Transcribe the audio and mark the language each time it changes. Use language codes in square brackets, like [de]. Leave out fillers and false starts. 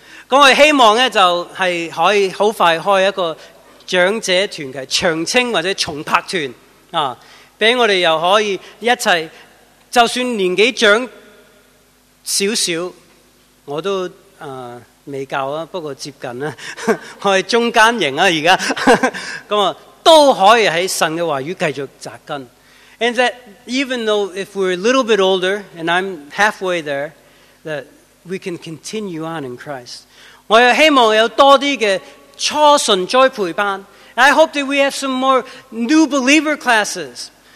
[yue] 我希望呢就是可以很快开一个 长者团契、长青或者重拍团，俾我哋又可以一齐，就算年纪长少少，我都未教啊，不过接近啦，我系中间型啊，而家咁啊，都可以喺神嘅话语继续扎根。 [en] And that even though if we're a little bit older, and I'm halfway there, that we can continue on in Christ. [yue] 我又希望有多啲嘅初信栽培班。 [en] I hope that we have some more new believer classes.